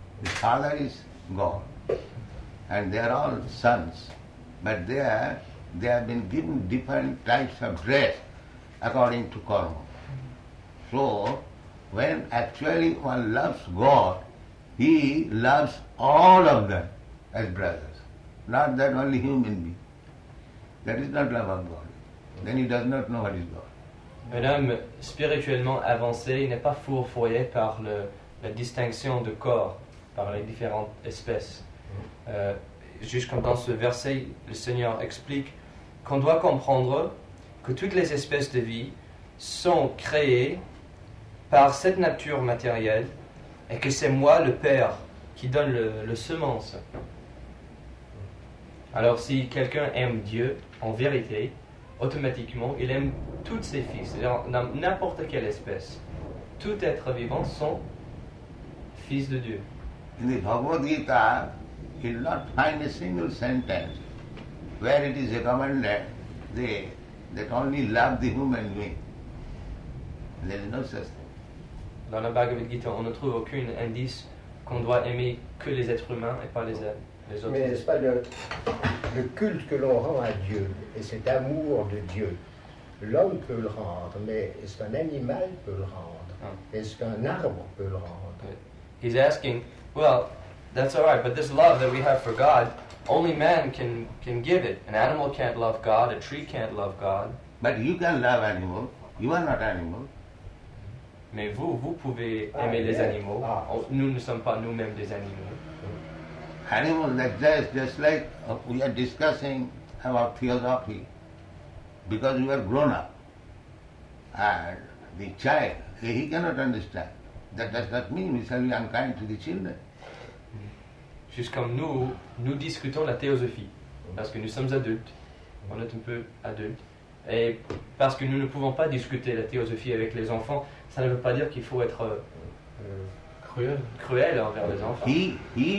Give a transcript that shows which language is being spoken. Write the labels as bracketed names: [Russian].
[English] The father is God, and they are all sons, but they have been given different types of dress according to karma. So, when actually one loves God, he loves all of them as brothers, not that only human beings. That is not love of God. Then he does not know what is God. [French] Un homme spirituellement avancé n'est pas fourvoyé par la distinction de corps, par les différentes espèces. Juste comme dans ce verset, le Seigneur explique qu'on doit comprendre que toutes les espèces de vie sont créées par cette nature matérielle et que c'est moi, le Père, qui donne le semence. Alors si quelqu'un aime Dieu, en vérité, automatiquement, il aime toutes ses fils, c'est-à-dire n'importe quelle espèce. Tout être vivant sont fils de Dieu. [English] In the Bhagavad Gita, you will not find a single sentence where it is recommended that only love the human being. There is no such thing. [French] Dans la Bhagavad Gita, on ne trouve aucun indice qu'on doit aimer que les êtres humains et pas les êtres. Mais n'est-ce pas le culte que l'on rend à Dieu, et cet amour de Dieu, l'homme peut le rendre, mais est-ce qu'un animal peut le rendre? Est-ce qu'un arbre peut le rendre? [English] He's asking, well, that's all right, but this love that we have for God, only man can give it. An animal can't love God, a tree can't love God. But you can love animal, you are not animal. [French] Mais vous pouvez aimer les animaux, nous ne sommes pas nous-mêmes des animaux. [English] Animals exist just like we are discussing about theosophy, because you are grown up, and the child, he cannot understand. That does not mean we shall be unkind to the children. [French] Juste comme nous discutons la théosophie, parce que nous sommes adultes, on est un peu adultes, et parce que nous ne pouvons pas discuter la théosophie avec les enfants, ça ne veut pas dire qu'il faut être cruel envers les enfants.